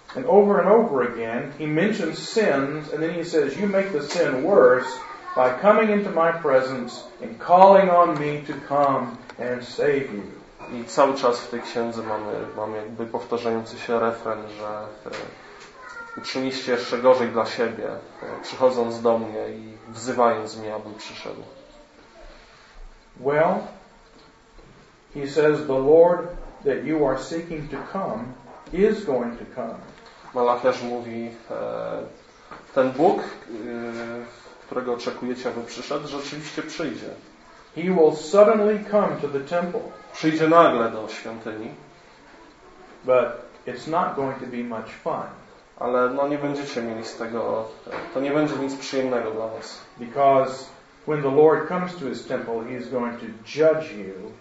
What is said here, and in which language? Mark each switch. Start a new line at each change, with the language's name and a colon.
English: And over and over again, he mentions sins, and then he says, you make the sin worse by coming into my presence and calling on me to come and save you.
Polish: I cały czas w tej księdze mamy jakby powtarzający się refren, że uczyniście jeszcze gorzej dla siebie, przychodząc do mnie i wzywając mnie, abym przyszedł.
English: Well, he says, the Lord that you are seeking to come is going to come.
Polish: Malachiasz mówi, ten Bóg, którego oczekujecie, aby przyszedł, rzeczywiście przyjdzie.
English: He will suddenly come to the temple.
Polish: Przyjdzie nagle do świątyni.
English: But it's not going to be much fun.
Polish: Ale no, nie będziecie mieli z tego, to nie będzie nic przyjemnego dla was.
English: Because when the Lord comes to his temple, he is going to judge you.